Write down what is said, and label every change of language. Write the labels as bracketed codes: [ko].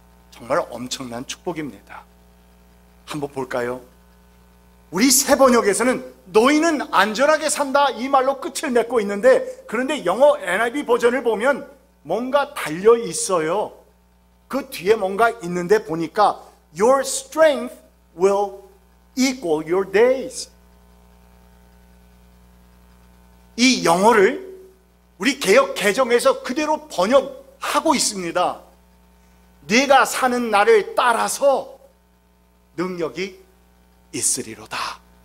[ko] 정말 엄청난 축복입니다. 한번 볼까요? 우리 새 번역에서는 너희는 안전하게 산다 이 말로 끝을 맺고 있는데, 그런데 영어 NIV 버전을 보면 뭔가 달려 있어요. 그 뒤에 뭔가 있는데 보니까 [en] Your strength will equal your days. [ko] 이 영어를 우리 개역 개정에서 그대로 번역하고 있습니다. 네가 사는 날을 따라서 능력이 있으리로다.